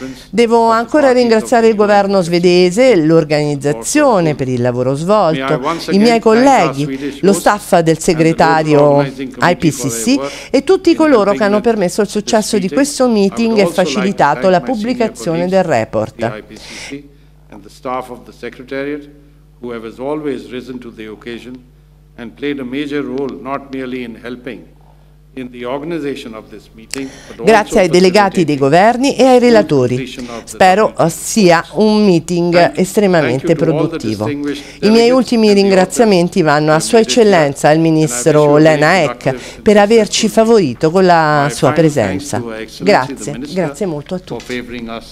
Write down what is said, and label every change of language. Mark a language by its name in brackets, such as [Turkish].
[Italian] Devo ancora ringraziare il governo svedese, l'organizzazione per il lavoro svolto, i miei colleghi, lo staff del segretario IPCC e tutti coloro che hanno permesso il successo di questo meeting e facilitato la pubblicazione del report. [English] And the staff of the Secretariat, who have always risen to the occasion and played a major role not merely in helping in the organization of this meeting, but also [Italian] grazie ai delegati dei governi e ai relatori. Spero sia un meeting estremamente produttivo. I miei ultimi ringraziamenti vanno a Sua Eccellenza il Ministro Lena Ek per averci favorito con la sua presenza. Grazie, grazie molto a tutti.